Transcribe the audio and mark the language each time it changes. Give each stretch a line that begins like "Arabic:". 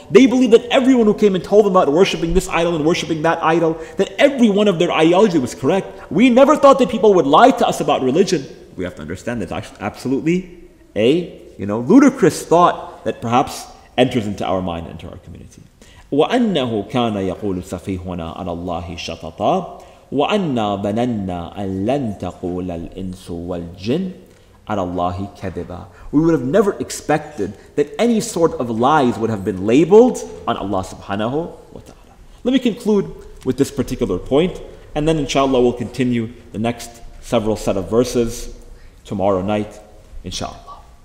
English: They believe that everyone who came and told them about worshipping this idol and worshipping that idol, that every one of their ideology was correct. We never thought that people would lie to us about religion. We have to understand that's absolutely a, you know, ludicrous thought that perhaps enters into our mind, into our community.
Arabic: وَأَنَّهُ كَانَ يَقُولُ سَفِيهُنَا عَلَى اللَّهِ شَطَطَى وَأَنَّا بَنَنَّا أَن لَن تَقُولَ الْإِنسُ وَالْجِنُ Allahi kadiba.
English: We would have never expected that any sort of lies would have been labeled on Allah subhanahu wa ta'ala. Let me conclude with this particular point, and then inshallah we'll continue the next several set of verses tomorrow night, inshallah.